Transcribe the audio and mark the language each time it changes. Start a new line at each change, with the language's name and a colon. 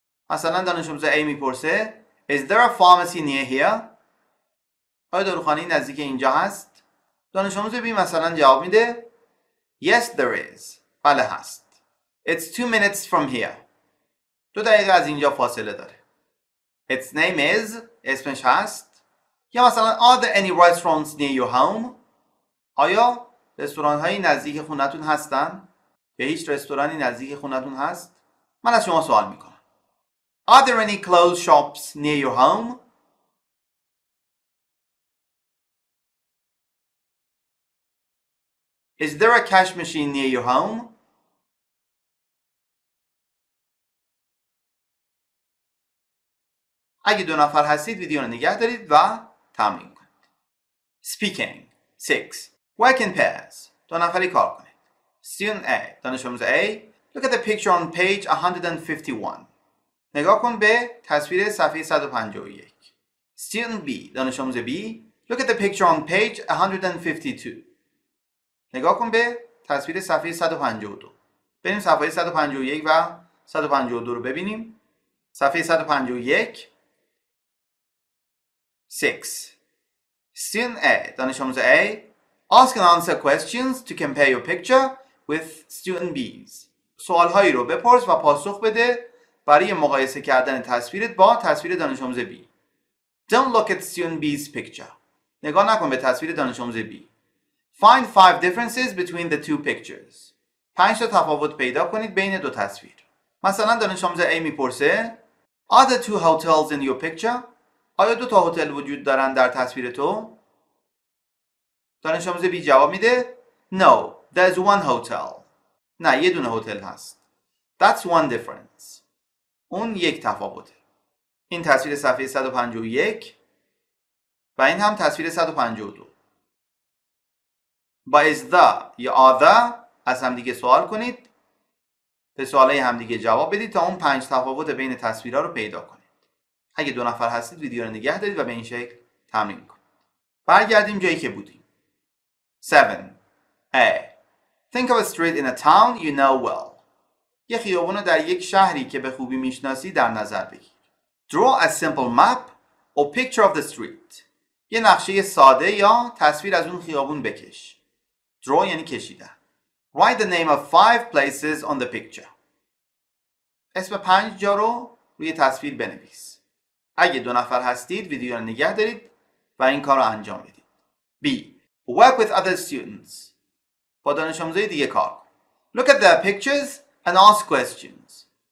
Persian: مثلا دانش آموز A میپرسه
English: Is there a pharmacy near here?
Persian: آیا داروخانه نزدیک اینجا هست؟ دانش آموز B مثلا جواب میده
English: Yes, there is.
Persian: بله هست.
English: It's 2 minutes from here.
Persian: 2 دقیقه از اینجا فاصله داره.
English: Its name is.
Persian: اسمش هست. یا مثلا
English: Are there any restaurants near your home?
Persian: آیا رستوران هایی نزدیک خونتون هستن؟ به هیچ رستورانی نزدیک خونتون هست؟ من از شما سوال میکنم.
English: Are there any clothes shops near your home? Is there a cash machine near your home?
Persian: اگه 2 نفر هستید ویدیو رو نگه دارید و تمرین کنید.
English: Speaking 6. Work in pairs.
Persian: 2 نفری کار کنید.
English: Student A,
Persian: دانش آموز A,
English: look at the picture on page 151.
Persian: نگاه کن به تصویر صفحه 151.
English: Student B,
Persian: دانش آموز B,
English: look at the picture on page 152.
Persian: نگاه کن به تصویر صفحه 152. بریم صفحه 151 و 152 رو ببینیم. صفحه 151. 6.
English: Student A,
Persian: دانش آموز A,
English: ask and answer questions to compare your picture with student B's.
Persian: سوال هایی رو بپرس و پاسخ بده برای مقایسه کردن تصویرت با تصویر دانش آموز B.
English: Don't look at student B's picture.
Persian: نگاه نکن به تصویر دانش آموز B.
English: Find 5 differences between the two pictures.
Persian: 5 تا تفاوت پیدا کنید بین 2 تصویر. مثلا دانش آموز A میپرسه
English: Are there 2 hotels in your picture?
Persian: آیا 2 تا هتل وجود دارن در تصویر تو؟ دانش آموز بی جواب میده
English: No, there's one hotel.
Persian: نه یه دونه هتل هست.
English: That's one difference.
Persian: اون یک تفاوته. این تصویر صفحه 151 و این هم تصویر 152. با is the یا are the از همدیگه سوال کنید. به سوالای همدیگه جواب بدید تا اون پنج تفاوت بین تصویرها رو پیدا کنید. اگه دو نفر هستید ویدیو رو نگه دارید و به این شکل تمرین کنید. برگردیم جایی که بودیم. 7. A.
English: Think of a street in a town you know well.
Persian: یه خیابون در یک شهری که به خوبی میشناسی در نظر بگیر.
English: Draw a simple map or picture of the street.
Persian: یه نقشه ساده یا تصویر از اون خیابون بکش. Draw یعنی کشیدن.
English: Write the name of five places on the picture.
Persian: اسم پنج جا رو روی تصویر بنویس. اگه دو نفر هستید ویدیو رو نگه دارید و این کار رو انجام بدید.
English: B. Work with other students.
Persian: با دانش آموزای دیگه کار.
English: Look at their pictures and ask questions.